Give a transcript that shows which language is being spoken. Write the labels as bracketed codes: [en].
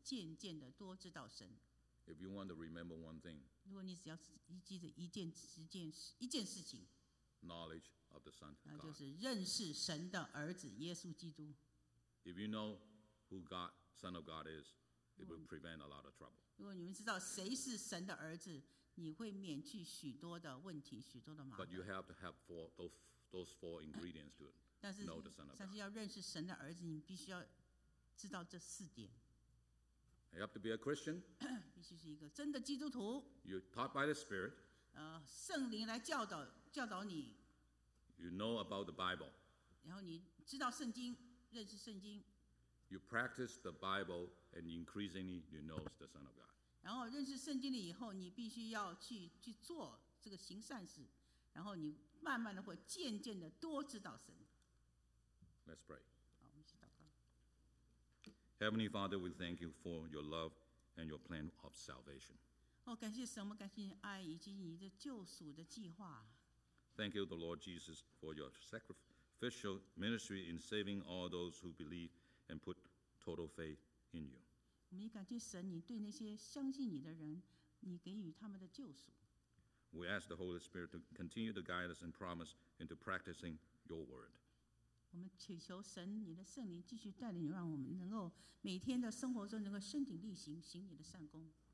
[zh] 在一切善事上结果子，渐渐地多知道神。 [en] If you want to remember one thing, [zh] 如果你只要记得一件事情， [en] knowledge of the Son of God. [zh] 那就是认识神的儿子耶稣基督。 [en] If you know who God, Son of God is, it will prevent a lot of trouble. [zh] 如果你们知道谁是神的儿子， 你会免去许多的问题，许多的麻烦。 [en] But you have to have four, those four ingredients to it. know the Son of God. [zh] 但是要认识神的儿子，你必须要知道这四点。 [en] You have to be a Christian. [zh] 必须是一个真的基督徒。 [en] You're taught by the Spirit. [zh] 圣灵来教导你。 [en] You know about the Bible. [zh] 然后你知道圣经，认识圣经。 [en] You practice the Bible, and increasingly you know the Son of God. [zh] 然后认识圣经了以后，你必须要去做这个行善事，然后你慢慢的会渐渐的多知道神。 [en] Let's pray. [zh] 好，我们一起祷告。 [en] Heavenly Father, we thank you for your love and your plan of salvation. [zh] 哦，感谢神，我们感谢你的爱以及你的救赎的计划。 [en] Thank you, the Lord Jesus, for your sacrificial ministry in saving all those who believe and put total faith in you. [zh] 我们也感谢神，你对那些相信你的人，你给予他们的救赎。 [en] We ask the Holy Spirit to continue to guide us and promise into practicing your word. [zh] 我们祈求神，你的圣灵继续带领，让我们能够每天的生活中能够身体力行，行你的善功。